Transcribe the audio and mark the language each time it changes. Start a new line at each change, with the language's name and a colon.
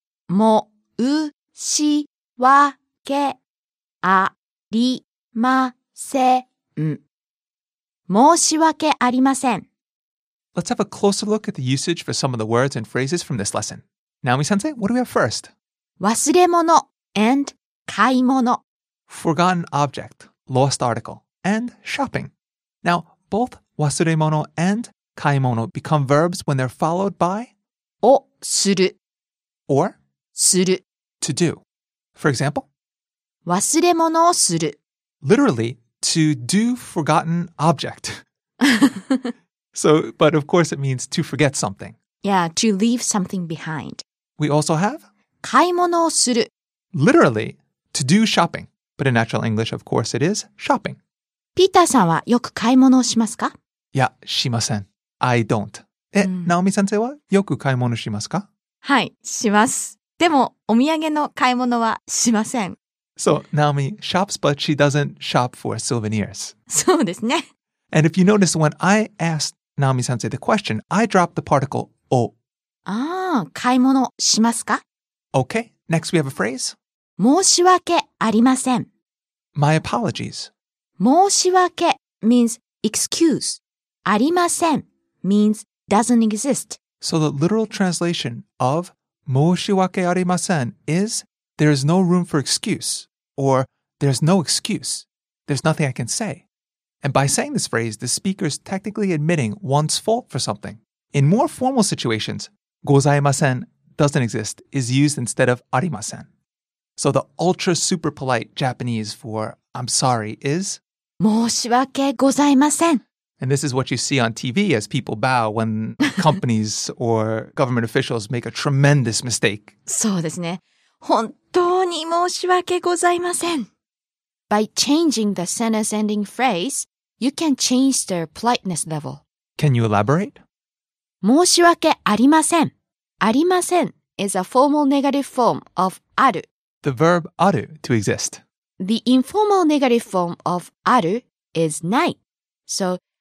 Japanese: 申し訳ありません申し訳ありません
English: Let's have a closer look at the usage for some of the words and phrases from this lesson. Naomi-sensei, what do we have first?
Japanese: 忘れ物 and 買い物
English: Forgotten object, lost article, and shopping. Now, both 忘れ物 and 買い物 become verbs when they're followed by
Japanese: をする
English: or
Japanese: する
English: to do. For example,
Japanese: 忘れ物をする
English: Literally, to do forgotten object. So, but of course it means to forget something. Yeah, to leave something behind. We also have
Japanese: 買い物をする
English: Literally, to do shopping. But in natural English, of course, it is shopping.
Japanese: ピーターさんはよく買い物をしますか? いや、しません。 I don't. Naomi 先生はよく買い物しますか? はい、します。でも、お土産の買い物はしません。
English: So, Naomi shops, but she doesn't shop for souvenirs.
Japanese: そうですね。
English: And if you notice, when I asked Naomi-sensei the question, I dropped the particle を.
Japanese: Ah, 買い物しますか?
English: Okay, next we have a phrase.
Japanese: 申し訳ありません.
English: My apologies. 申し訳 means excuse. ありません means doesn't exist. So the literal translation of 申し訳ありません is there is no room for excuse or there's no excuse. There's nothing I can say. And by saying this phrase, the speaker is technically admitting one's fault for something. In more formal situations, ございません, doesn't exist, is used instead of ありません. So the ultra super polite Japanese for I'm sorry is
Japanese: 申し訳ございません.
English: And this is what you see on TV as people bow when companies or government officials make a tremendous mistake.
Japanese: そうですね。本当に申し訳ございません。
English: By changing the sentence ending phrase, you can change their politeness level. Can you elaborate? 申し訳ありません。ありません is a formal negative form of ある. The verb ある to exist. The informal negative form of ある is ない. So,